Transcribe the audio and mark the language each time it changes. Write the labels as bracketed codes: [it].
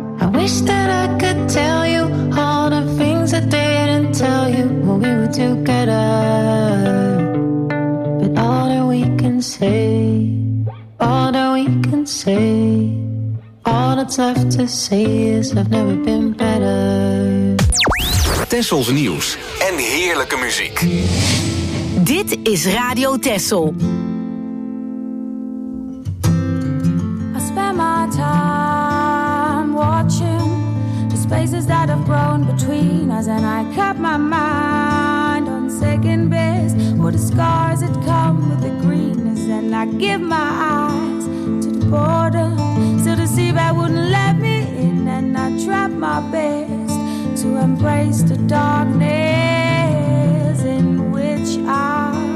[en] I wish that I could tell you all the things I didn't tell you when we were together. But all that we can say, all that we can say, all that's left to say is I've never been better. [nl] Tessels nieuws en heerlijke muziek. Dit is Radio Tessel. [en] I spend my time watching the spaces that have grown between us, and I kept my mind on second best. For the scars that come with the greenness, and I give my eyes to the border, so the seabed wouldn't let me in, and I trap my best to embrace the darkness in which I.